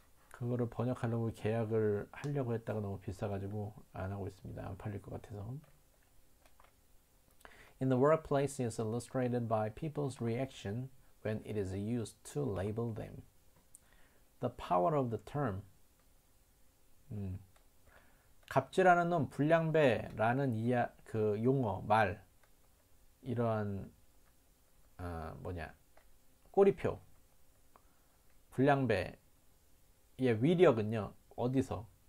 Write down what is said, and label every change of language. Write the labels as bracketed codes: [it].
[ko] 그거를 번역하려고 계약을 하려고 했다가 너무 비싸가지고 안 하고 있습니다. 안 팔릴 것 같아서. [en] In the workplace is illustrated by people's reaction when it is used to label them. The power of the term. [ko] 갑질하는 놈, 불량배라는 이야 그 용어, 말, 이러한 뭐냐 꼬리표, 불량배의 위력은요 어디서?